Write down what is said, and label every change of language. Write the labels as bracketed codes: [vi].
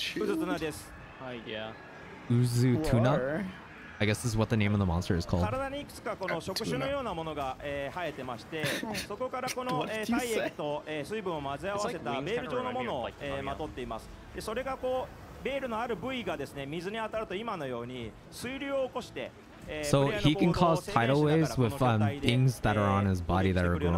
[en] shield? Yeah. Uzu Tuna? I guess this is what the name of the monster is called. Tuna. What did you say? It's like wings kind of right here, like Tonya. [ja] ベールのある部位がですね、水に当たると今のように水流を起こして、 [en] So he can cause tidal waves with things that are on his body that are growing.